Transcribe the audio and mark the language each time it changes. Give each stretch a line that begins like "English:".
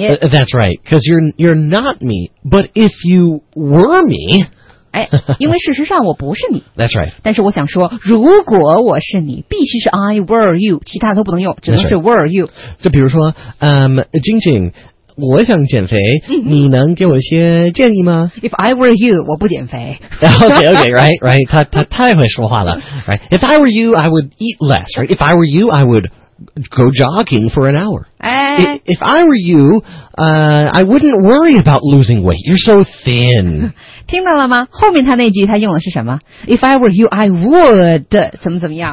English: That's right， because you're not me， but if you were me，
Chinese: 哎，因为事实上我不是你。
English: That's right。
Chinese: 但是我想说，如果我是你，必须是
English: I were you，
Chinese: 其他都不能用，只能是 were you。 Right. 就比如说，晶晶。我想减肥，你能给我一些建议吗
English: ？If I were you，
Chinese: 我不减肥。
English: okay, okay, right, right.
Chinese: 他太会说话了。
English: Right. If I were you, I would eat less. Right. If I were you, I would go jogging for an hour. 哎。 If I were you, I wouldn't worry about losing weight. You're so thin.
Chinese: 听到了吗？后面他那句他用的是什么 ？
English: If I were you, I would
Chinese: 怎么怎么样